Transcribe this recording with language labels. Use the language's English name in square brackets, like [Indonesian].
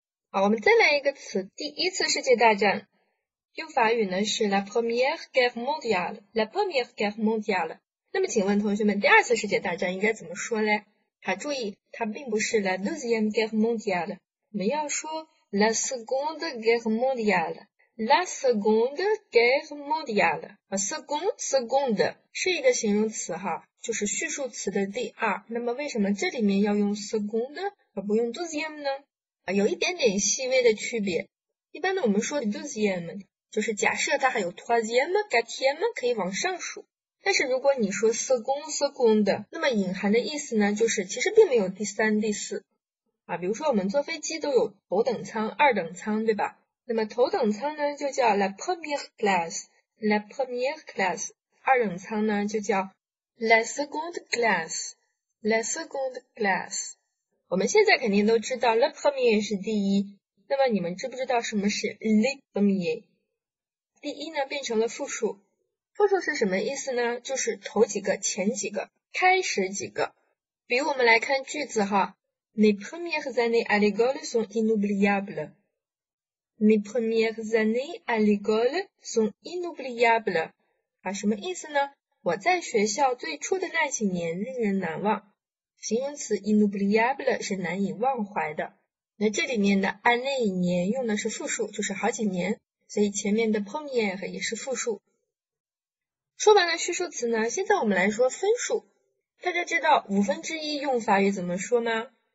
[Chinese] 好，我们再来一个词，第一次世界大战，用法语呢是 [French] La première guerre mondiale，La première guerre mondiale。 [Chinese] 那么，请问同学们，第二次世界大战应该怎么说嘞？ [French] 好，注意，它并不是 la deuxième guerre mondiale，我们要说 la seconde guerre mondiale，la seconde guerre mondiale。 [Chinese] 啊， [French] seconde [Chinese] 是一个形容词哈，就是序数词的第二。那么为什么这里面要用 [French] seconde [Chinese] 而不用 [French] deuxième [Chinese] 呢？啊，有一点点细微的区别。一般呢，我们说 [French] deuxième [Chinese] 就是假设它还有 [French] troisième、quatrième [Chinese] 可以往上数。但是如果你说 [French] seconde， [Chinese] 那么隐含的意思呢，就是其实并没有第三、第四啊。比如说我们坐飞机都有头等舱、二等舱，对吧？ [French] 那么头等舱呢就叫 la première classe，la première classe；二等舱呢就叫 la seconde classe，la seconde classe。 [Chinese] 我们现在肯定都知道 [French] la première [Chinese] 是第一，那么你们知不知道什么是 [French] le premier？ [Chinese] 第一呢变成了复数。复数是什么意思呢？就是头几个、前几个、开始几个。 [French] 比如我们来看句子哈，Mes premières années à l'école sont inoubliables. Mes premières années à l'école sont inoubliables. [Chinese] 啊，什么意思呢？我在学校最初的那几年令人难忘。形容词 [French] inoubliable [Chinese] 是难以忘怀的。那这里面的 année 年用的是复数，就是好几年，所以前面的 [French] première [Chinese] 也是复数。说完了序数词呢，现在我们来说分数。大家知道五分之一用法语怎么说吗？